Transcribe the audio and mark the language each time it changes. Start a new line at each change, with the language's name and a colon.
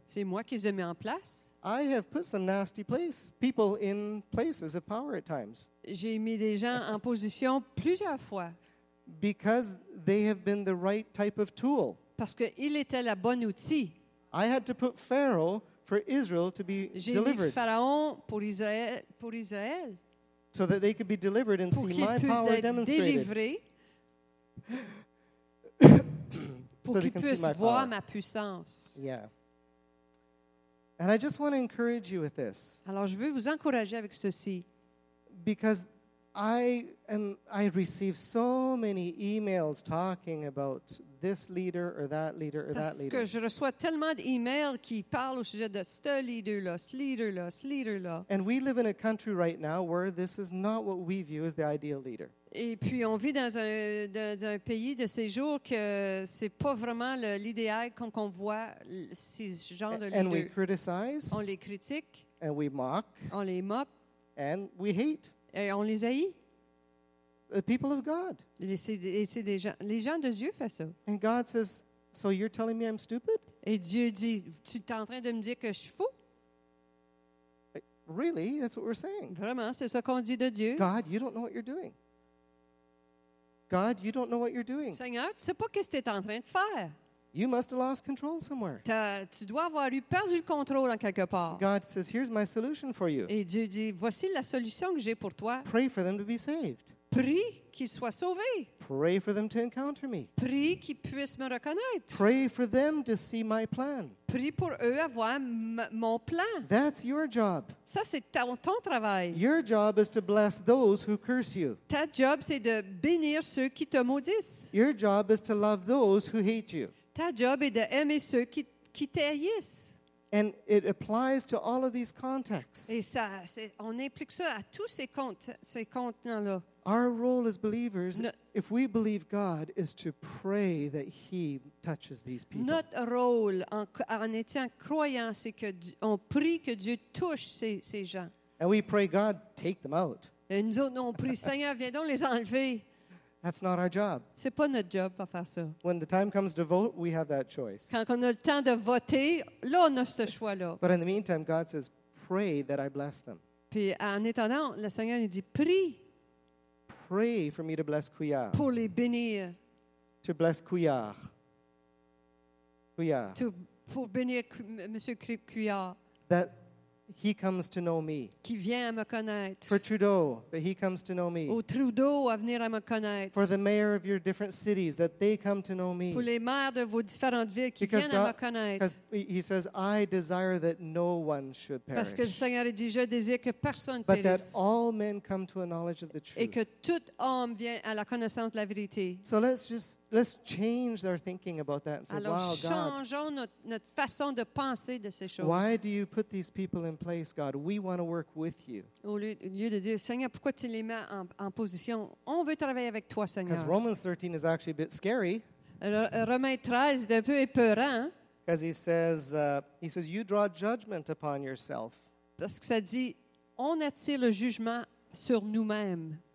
French: C'est moi qui les ai mis en place.
English: I have put some nasty people in places of power at times.
French: J'ai mis des gens en position plusieurs fois.
English: Because they have been the right type of tool.
French: Parce qu'il était la bonne outil.
English: I had to put Pharaoh for Israel to be
French: J'ai
English: delivered.
French: J'ai mis Pharaon pour Israël.
English: So that they could be delivered and
French: pour
English: see my power demonstrated.
French: Délivré. Pour qu'ils puissent voir ma puissance.
English: Yeah. And I just want to encourage you with this.
French: Alors je veux vous encourager avec ceci.
English: Because I receive so many emails talking about this leader or that leader or that leader.
French: Parce que je reçois tellement d'emails qui parlent au sujet de ce leader-là, ce leader-là, ce leader-là.
English: And we live in a country right now where this is not what we view as the ideal leader.
French: Et puis on vit dans un pays de ces jours que c'est pas vraiment l'idéal qu'on voit ces genres de leaders.
English: And we criticize.
French: On les critique.
English: And we mock.
French: On les moque.
English: And we hate.
French: Et on les haït.
English: The people of God.
French: Et c'est des gens, les gens de Dieu font ça.
English: And God says, so you're telling me I'm stupid?
French: Et Dieu dit, tu es en train de me dire que je suis fou?
English: Really, that's what we're saying.
French: Vraiment, c'est ça qu'on dit de Dieu.
English: God, you don't know what you're doing. God, you don't know what you're doing.
French: Seigneur, tu sais pas qu'est-ce que tu es en train de faire.
English: You must have lost control somewhere.
French: Tu dois avoir eu perdu le contrôle en quelque part.
English: God says, here's my solution for you.
French: Et Dieu dit, voici la solution que j'ai pour toi.
English: Pray for them to be saved.
French: Prie qu'ils soient sauvés.
English: Pray for them to encounter me.
French: Prie qu'ils puissent me reconnaître.
English: Pray for them to see my plan.
French: Prie pour eux avoir mon plan.
English: That's your job.
French: Ça, c'est ton travail.
English: Your job is to bless those who curse you.
French: Ta job, c'est de bénir ceux qui te maudissent.
English: Your job is to love those who hate you.
French: Ta job est d'aimer ceux qui t'haïssent.
English: And it applies to all of these contexts.
French: Et ça, on implique ça à tous ces contenants-là.
English: Our role as believers, if we believe God, is to pray that He touches these people.
French: Notre rôle en étant croyant, c'est que on prie que Dieu touche ces gens.
English: And we pray, God, take them out.
French: Et nous autres, on prie, Seigneur, viens donc les enlever.
English: That's not our job.
French: C'est pas notre job de faire ça.
English: When the time comes to vote, we have that choice.
French: Quand on a le temps de voter, là on a ce choix-là.
English: But in the meantime, God says, pray that I bless them.
French: Puis en étonnant, le Seigneur nous dit, prie.
English: Pray for me to bless Kuyar.
French: Pour les bénir.
English: To bless Kuyar. Kuyar.
French: To pour bénir Monsieur Couillard.
English: That he comes to know me.
French: Qui vient à me connaître.
English: For Trudeau, that he comes to know me.
French: Au Trudeau à venir à me connaître.
English: For the mayor of your different cities, that they come to know me.
French: Pour les maires de vos différentes villes qui
English: because
French: viennent God, à me connaître.
English: Because he says, I desire that no one should perish.
French: Parce que le Seigneur dit, je désire que personne
English: but
French: périsse.
English: But that all men come to a knowledge of the truth.
French: Et que tout homme vient à la connaissance de la vérité.
English: So let's change our thinking about that and say,
French: alors,
English: wow,
French: changeons
English: God,
French: notre façon de penser de ces choses.
English: Why do you put these people in place, God? We want to work with you.
French: Au lieu de dire, Seigneur, pourquoi tu les mets en position? On veut travailler avec toi, Seigneur. Because Romans 13 is actually a bit scary. Romains 13 est un peu épeurant. Because he says, you draw judgment upon yourself. Parce que ça dit, on attire le jugement sur nous-mêmes.